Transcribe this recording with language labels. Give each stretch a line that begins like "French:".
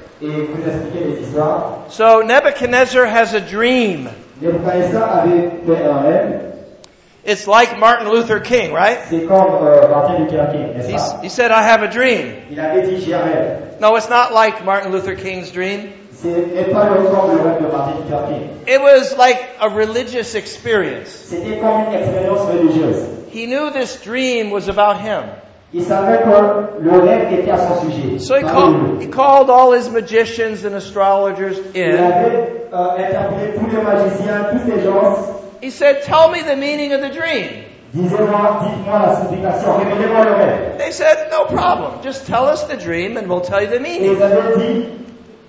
French: Et vous expliquer les histoires.
English: So Nebuchadnezzar has a dream.
French: Nebuchadnezzar avait fait un rêve.
English: It's like Martin Luther King, right?
French: C'est comme, Martin Luther King,
English: he said, I have a dream.
French: Il avait dit, j'ai un rêve.
English: No, it's not like Martin Luther King's dream.
French: C'est pas le rêve de Martin Luther King.
English: It was like a religious experience.
French: C'était comme une expérience religieuse.
English: He knew this dream was about him.
French: Il savait que le rêve était à son sujet.
English: So he called all his magicians and astrologers in.
French: Il avait interpellé tous les magiciens, tous les gens.
English: He said, tell me the meaning of the dream. They said, no problem. Just tell us the dream and we'll tell you the meaning.